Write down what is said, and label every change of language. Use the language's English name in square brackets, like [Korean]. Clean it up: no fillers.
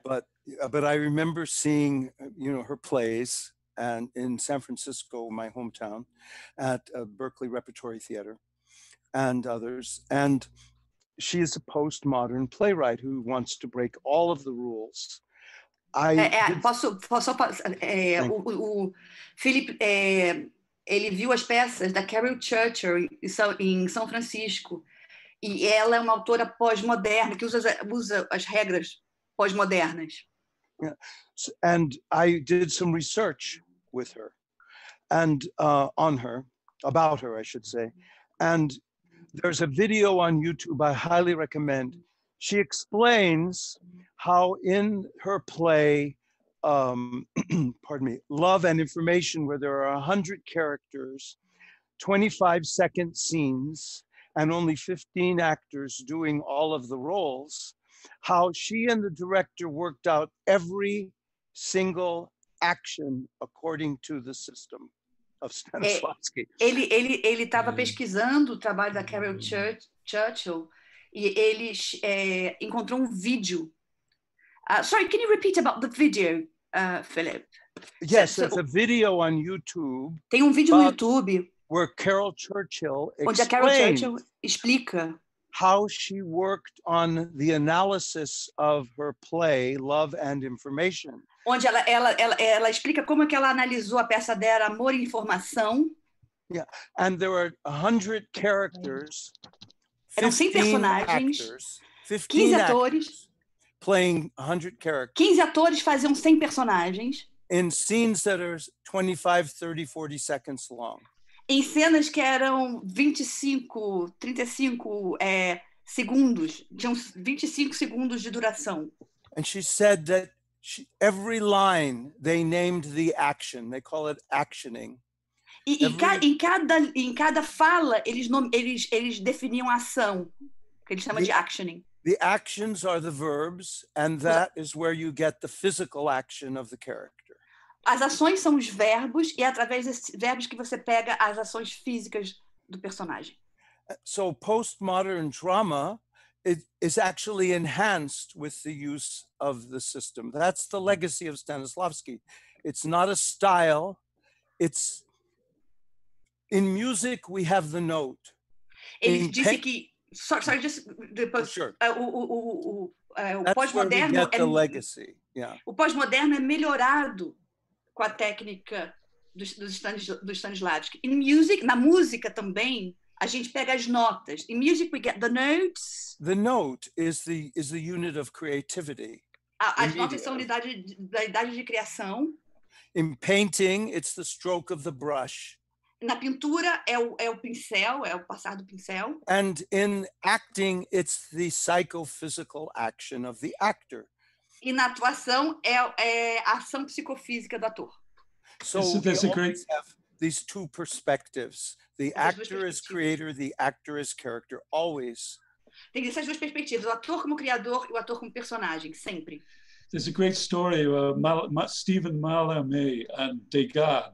[English] But I remember seeing, you know, her plays and in San Francisco, my hometown, at Berkeley Repertory Theater and others. And she is a postmodern playwright who wants to break all of the rules. [Portuguese] Philip, ele viu as peças da Carol Churchill em São Francisco. E ela é uma autora pós-moderna que usa as regras pós-modernas. [English] Yeah. And I did some research with her, and on her, about her, I should say. And there's a video on YouTube I highly recommend. She explains how in her play, Love and Information, where there are 100 characters, 25-second scenes, and only 15 actors doing all of the roles, how she and the director worked out every single action according to the system of Stanislavski. [Portuguese] Ele estava pesquisando o trabalho da Carol Churchill e ele encontrou um vídeo. [English] Sorry, can you repeat about the video, Philip? Yes, so, there's a video on YouTube. [Portuguese] Tem um vídeo no YouTube. [English] Where Carol Churchill [Portuguese] onde a Carol Churchill explica [English] how she worked on the analysis of her play Love and Information. [Portuguese] Onde ela explica como é que ela analisou a peça dela Amor e Informação. [English] Yeah, and there were 100 characters. [Portuguese] Eram 100 personagens. 15 atores. [English] Playing 100 characters. [Portuguese] 15 atores faziam 100 personagens. [English] In scenes that are 25, 30, 40 seconds long. [Portuguese] Em cenas que eram 25, 35 segundos, tinham 25 segundos de duração. [English] And she said that every line they named the action, they call it actioning. [Portuguese] Em cada fala eles definiam a ação, que eles chamam de actioning. [English] The actions are the verbs, and that is where you get the physical action of the character. [Portuguese] As ações são os verbos e é através desses verbos que você pega as ações físicas do personagem. [English] So postmodern drama is actually enhanced with the use of the system. That's the legacy of Stanislavski. It's not a style. It's in music we have the note. [Portuguese] Pós-moderno [English] get the legacy. Yeah. [Portuguese] O pós-moderno é melhorado com a técnica do Stanislavski. [English] In music, [Portuguese] na música também, a gente pega as notas. [English] In music, we get the notes. The note is the unit of creativity. [Portuguese] As notas são a unidade de criação. [English] In painting, it's the stroke of the brush. [Portuguese] Na pintura, é o pincel, é o passar do pincel. [English] And in acting, it's the psychophysical action of the actor. [Portuguese] E na atuação é a ação psicofísica do ator. [English] So that's we great. Always have these two perspectives. The actor as creator, the actor as character, always. [Portuguese] Tem essas duas perspectivas, o ator como criador e o ator como personagem, sempre. [English] There's a great story of Stephen Mallarmé and Degas.